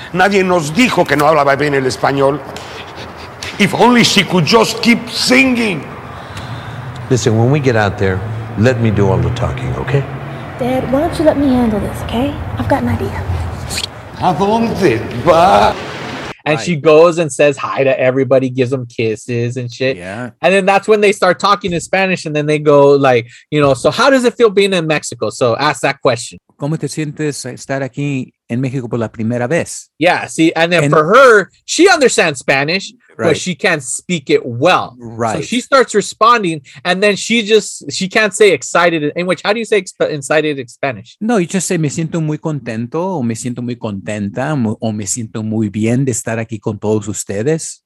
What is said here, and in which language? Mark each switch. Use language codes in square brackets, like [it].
[es] Nadie nos dijo que no hablaba bien el español. [en] If only she could just keep singing. Listen, when we get out there, let me do all the talking, okay? Dad, why don't you let me handle this, okay? I've got an idea. [es] Adonde va? [en] And she goes and says hi to everybody, gives them kisses and shit. Yeah. And then that's when they start talking in Spanish and then they go like, you know, so how does it feel being in Mexico? So ask that question. [es] ¿Cómo te sientes estar aquí en México por la primera vez? [en] Yeah. See, and then for her, she understands Spanish, right. But she can't speak it well. Right. So she starts responding and then she can't say excited. In which, how do you say excited in Spanish? No, you just say [es] me siento muy contento o me siento muy contenta o me siento muy bien de estar aquí con todos ustedes.